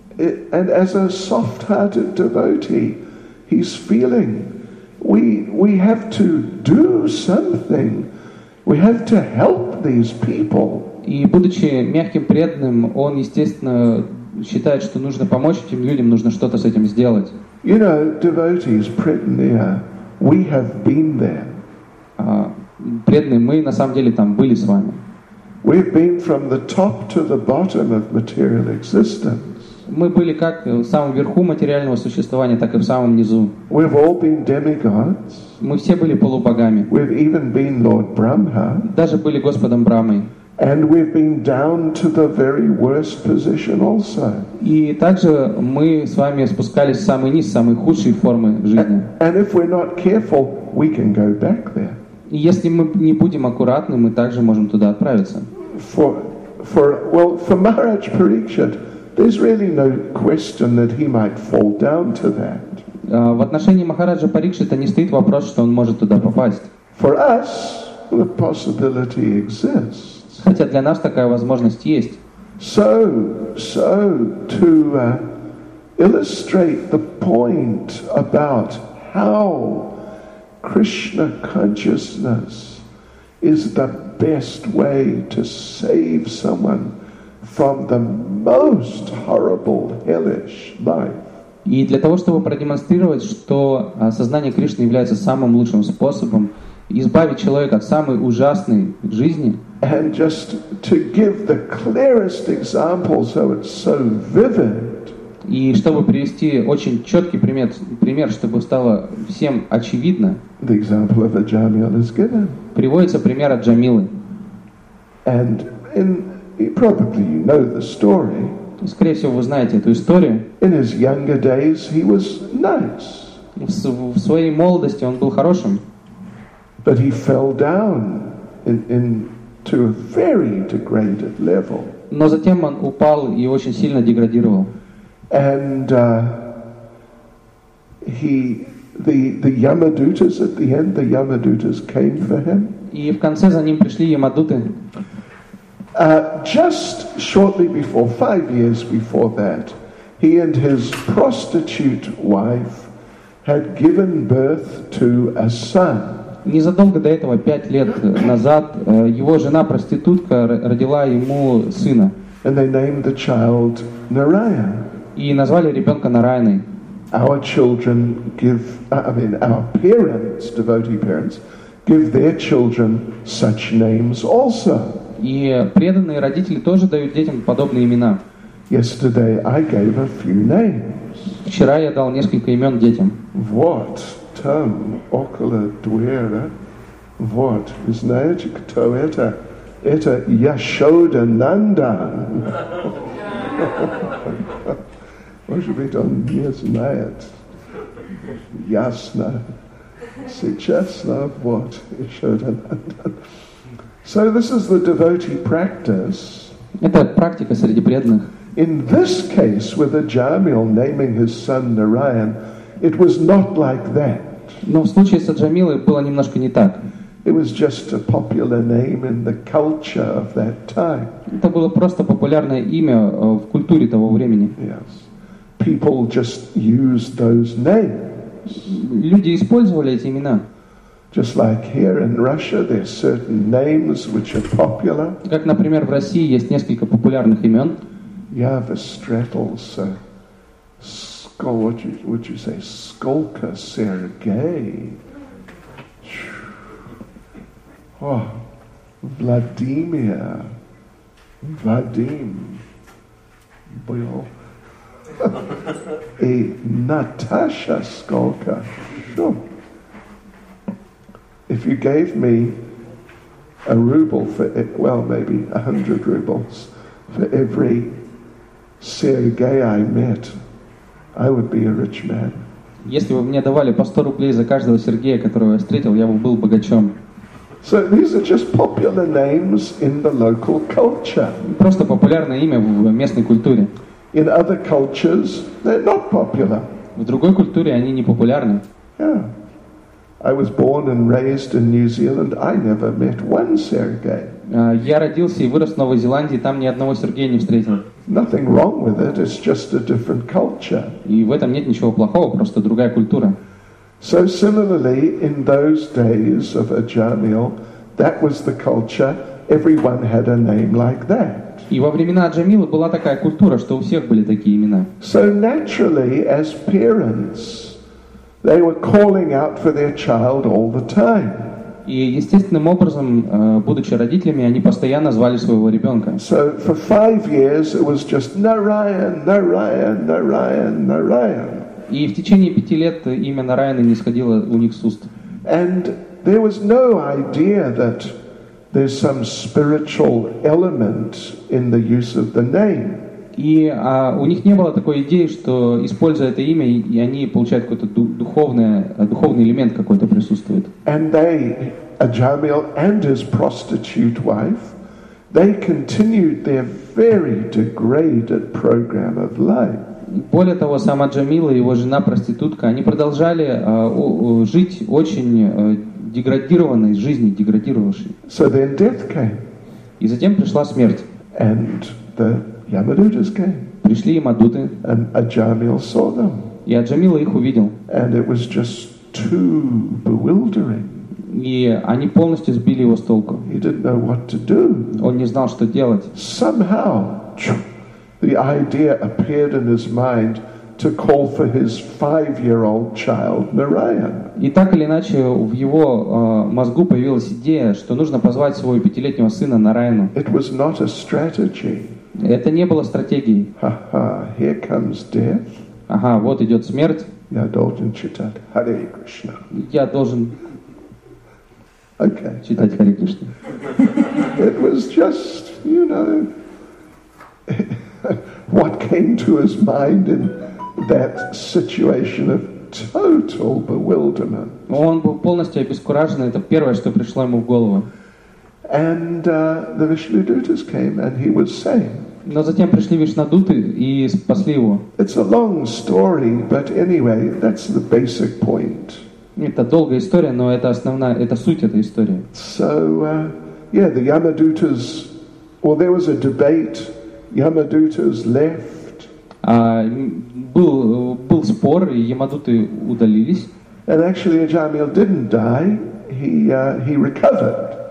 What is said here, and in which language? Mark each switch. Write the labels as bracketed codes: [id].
[en] And as a soft-hearted devotee, he's feeling we have to do something. We have to help these people. [ru] И будучи мягким преданным, он естественно считает, что нужно помочь этим людям, нужно что-то с этим сделать. [en] You know, devotees, preteneer, we have been there. [ru] Преданные, мы на самом деле там были с вами. [en] We've been from the top to the bottom of material existence. [ru] Мы были как в самом верху материального существования, так и в самом низу. [en] We've all been demigods. [ru] Мы все были полубогами. [en] We've even been Lord Brahma. [ru] Даже были Господом Брахмой. [en] And we've been down to the very worst position also. [ru] И также мы с вами спускались в самый низ, самой худшей формы жизни. [en] And if we're not careful, we can go back there. [ru] И если мы не будем аккуратны, мы также можем туда отправиться. [en] For Maharaj Parikshit, there's really no question that he might fall down to that. [ru] В отношении Махараджа Парикшита не стоит вопрос, что он может туда попасть. [en] For us, the possibility exists. [ru] Хотя для нас такая возможность есть. [en] So to illustrate the point about how Krishna consciousness is the best way to save someone from the most horrible hellish life. [ru] И для того, чтобы продемонстрировать, что сознание Кришны является самым лучшим способом избавить человека от самой ужасной жизни. [en] And just to give the clearest example, so it's so vivid. [ru] И чтобы привести очень четкий пример, чтобы стало всем очевидно. [en] The example of Аджамил is given. [ru] Приводится пример Аджамилы. [en] And probably you know the story. [ru] Скорее всего, вы знаете эту историю. [en] In his younger days, he was nice. [ru] В своей молодости он был хорошим. [en] But he fell down in to a very degraded level. [ru] Но затем он упал и очень сильно деградировал. [en] And the Yamadutas at the end, the Yamadutas came for him. [ru] И в конце за ним пришли Ямадуты. [en] Just shortly before, 5 years before that, he and his prostitute wife had given birth to a son. [ru] Незадолго до этого, 5 лет назад, его жена-проститутка родила ему сына. [en] And they named the child Narayan. [ru] И назвали ребенка Нарайной. [en] Our children give, I mean, our parents, devotee parents, give their children such names also. [ru] И преданные родители тоже дают детям подобные имена. [en] Yesterday I gave a few names. [ru] Вчера я дал несколько имен детям. What? Tum, Okala, Dwera, Vot, Isnayajik, Toeta, Eta, Yashoda, Nanda. [en] What should be done? Yasnayat, Yasna, Sichesna, Vot, Yashoda, Nanda. So this is the devotee practice. [ru] Это практика среди преданных. [en] In this case, with Аджамил naming his son Narayan, it was not like that. [ru] Но в случае с Аджамилой было немножко не так. [en] It was just a popular name in the culture of that time. [ru] Это было просто популярное имя в культуре того времени. [en] Yes. People just used those names. [ru] Люди использовали эти имена. [en] Just like here in Russia, there are certain names which are popular. [ru] Как, например, в России есть несколько популярных имен. [en] Yeah, the Stretels. Would you say Skolka Sergei? Oh, Vladimir, Vadim, Bill, a Natasha Skolka. Sure. If you gave me a ruble for it, well, maybe 100 rubles for every Sergei I met. I would be a rich man. [ru] Если бы мне давали по 100 рублей за каждого Сергея, которого я встретил, я бы был богачом. [en] So these are just popular names in the local culture. [ru] Просто популярное имя в местной культуре. [en] In other cultures, they're not popular. [ru] В другой культуре они не популярны. [en] Yeah. I was born and raised in New Zealand. I never met one Sergey. [ru] Я родился и вырос в Новой Зеландии, там ни одного Сергея не встретил. [en] Nothing wrong with it. It's just a different culture. [ru] И в этом нет ничего плохого, просто другая культура. [en] So similarly, in those days of Ajamil, that was the culture. Everyone had a name like that. [ru] И во времена Аджамила была такая культура, что у всех были такие имена. [en] So naturally, as parents, they were calling out for their child all the time. [ru] И естественным образом, будучи родителями, они постоянно звали своего ребенка. [en] So for 5 years it was just Narayan, Narayan, Narayan, Narayan. [ru] И в течение 5 лет имя Нараяна не сходило у них с уст. [en] And there was no idea that there's some spiritual element in the use of the name. [ru] И у них не было такой идеи, что используя это имя, и они получают какой-то духовный элемент какой-то присутствует. [en] And they, Ajamil and his prostitute wife, they continued their very degraded program of life. [ru] Более того, сам Аджамил и его жена-проститутка, они продолжали жить очень деградированной жизни, деградировавшей. [en] So then death came. [ru] И затем пришла смерть. [en] And the Yamadutas came. [ru] Пришли и Мадуты. [en] And Ajamil saw them. [ru] И Аджамил их увидел. [en] And it was just too bewildering. [ru] И они полностью сбили его с толку. [en] He didn't know what to do. [ru] Он не знал, что делать. [en] Somehow, the idea appeared in his mind to call for his 5-year-old child, Narayan. [ru] И так или иначе в его мозгу появилась идея, что нужно позвать своего 5-летнего сына Нараяну. [en] It was not a strategy. [ru] Это не было стратегией. [en] Ha-ha, here comes death. [ru] Ага, вот идет смерть. Я должен читать Харе Кришна. Я должен читать Харе Кришна. [en] It was just, you know, what came to his mind in that situation of total bewilderment. [ru] Он был полностью обескуражен, это первое, что пришло ему в голову. [en] And the Vishnudutas came, and he was saved. [ru] Но затем пришли Вишнадуты и спасли его. [en] It's a long story, but anyway, that's the basic point. [ru] Это долгая история, но это суть этой истории. [en] So, yeah, the Yamadutas. Well, there was a debate. Yamadutas left. [ru] Был спор, и Ямадуты удалились. [en] And actually, Ajamil didn't die. He recovered.